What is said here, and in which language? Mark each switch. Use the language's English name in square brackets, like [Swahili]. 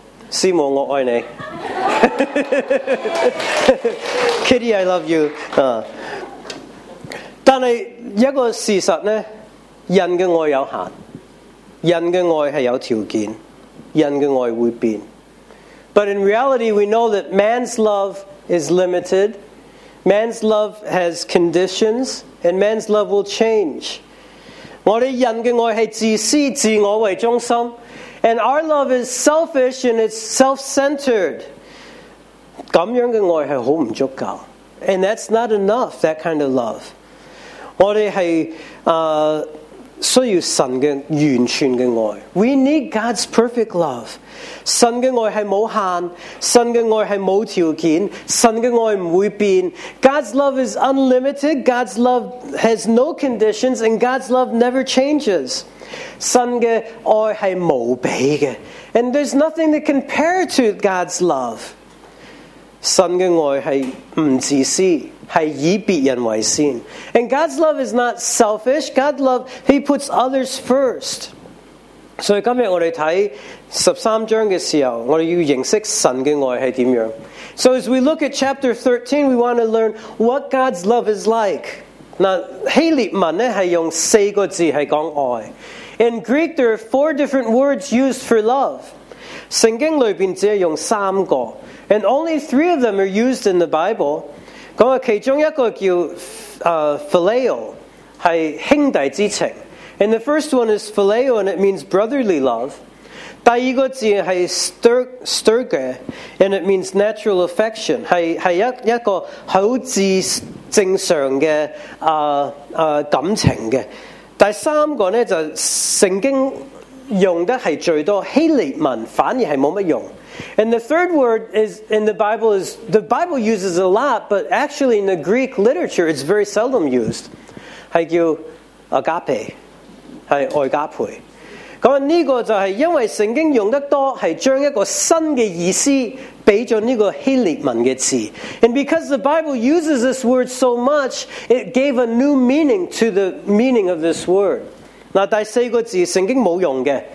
[Chinese] 师母我爱你Kitty [English] I love you [Chinese] 但是一个事实呢，人的爱有限，人的爱是有条件，人的爱会变。 [English] But in reality we know that man's love is limited, man's love has conditions, and man's love will change. [Chinese] 我们人的爱是自私，自我为中心。 [English] And our love is selfish and it's self-centered. [Chinese] 这样的爱是很不足够。 [English] And that's not enough, that kind of love. [Chinese] 我们是需要神的完全的爱。 [English] We need God's perfect love. [Chinese] 神的爱是无限，神的爱是无条件，神的爱不会变。 [English] God's love is unlimited, God's love has no conditions, and God's love never changes. [Chinese] 神的爱是无比的。 [English] And there's nothing to compare to God's love. [Chinese] 神的爱是不自私，是以别人为先。 [English] And God's love is not selfish. God's love, He puts others first. [Chinese] 所以今天我们看十三章的时候，我们要认识神的爱是怎样。 [English] So as we look at chapter 13, we want to learn what God's love is like. [Chinese] 那希腊文呢是用四个字是讲爱。 [English] In Greek, there are four different words used for love. [Chinese] 圣经里面只用三个。 [English] And only three of them are used in the Bible. [Chinese] 讲其中一个叫phileo, 是兄弟之情。 [English] And the first one is phileo, and it means brotherly love. [Chinese] 第二个字是 [English] sturge, and it means natural affection. [Chinese] 是一个好自正常的感情的。第三个呢就圣经用的是最多希腊文反而是没什么用。 [English] And the third word is in the Bible is, the Bible uses a lot, but actually in the Greek literature it's very seldom used. [Chinese] 是叫 agape, 是爱加培。那这个就是因为圣经用得多是将一个新的意思给了这个希腊文的字。 [English] And because the Bible uses this word so much, it gave a new meaning to the meaning of this word. [Chinese] 那第四个字圣经没用的。